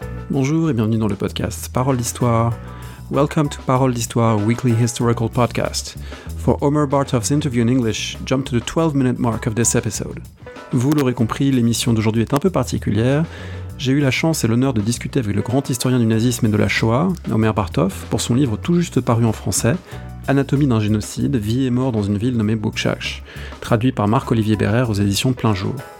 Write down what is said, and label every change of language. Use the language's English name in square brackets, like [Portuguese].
[French] Bonjour et bienvenue dans le podcast Parole d'Histoire. [English] Welcome to Parole d'Histoire weekly historical podcast. For Omer Bartov's interview in English, jump to the 12-minute mark of this episode. [French] Vous l'aurez compris, l'émission d'aujourd'hui est un peu particulière. J'ai eu la chance et l'honneur de discuter avec le grand historien du nazisme et de la Shoah, Omer Bartov, pour son livre tout juste paru en français, Anatomie d'un génocide, vie et mort dans une ville nommée Bukchash, traduit par Marc-Olivier Berrer aux éditions Plein Jour.